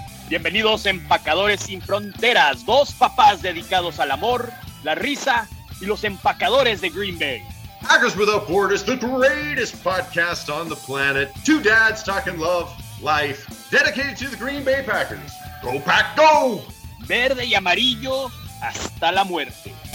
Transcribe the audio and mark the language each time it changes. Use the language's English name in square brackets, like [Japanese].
[Spanish] Bienvenidos Empacadores Sin Fronteras, dos papás dedicados al amor, la risa y los empacadores de Green Bay. [English] Packers Without Borders, the greatest podcast on the planet. Two dads talking love, life, dedicated to the Green Bay Packers. Go Pack, go! [Spanish] Verde y amarillo hasta la muerte.